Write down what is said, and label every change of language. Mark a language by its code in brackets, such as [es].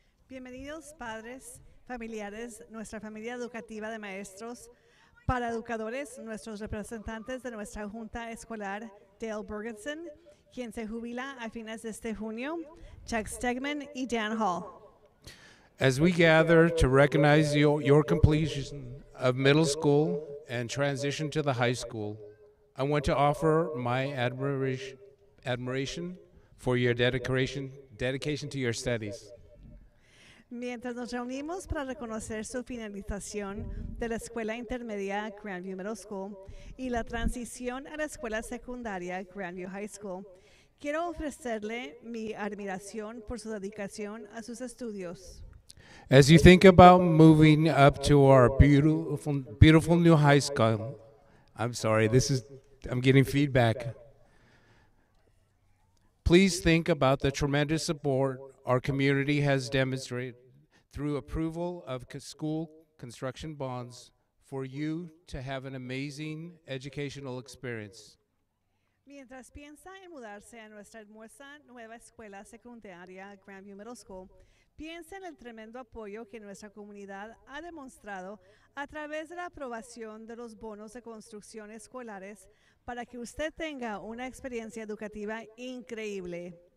[es] Bienvenidos, padres. Familiares, nuestra familia educativa de maestros, para educadores, nuestros representantes de nuestra junta escolar, Dale Bergerson, quien se jubila a fines de este junio, Chuck Steckman y Dan Hall. [en] As we gather to recognize your completion of middle school and transition to the high school, I want to offer my admiration for your dedication to your studies. [es] Mientras nos reunimos para reconocer su finalización de la escuela intermedia Grandview Middle School y la transición a la escuela secundaria Grandview High School, quiero ofrecerle mi admiración por su dedicación a sus estudios. [en] As you think about moving up to our beautiful new high school, I'm getting feedback. Please think about the tremendous support our community has demonstrated through approval of school construction bonds for you to have an amazing educational experience. [es] Mientras piensa en mudarse a nuestra hermosa nueva escuela secundaria Grandview Middle School, piensa en el tremendo apoyo que nuestra comunidad ha demostrado a través de la aprobación de los bonos de construcción escolares para que usted tenga una experiencia educativa increíble.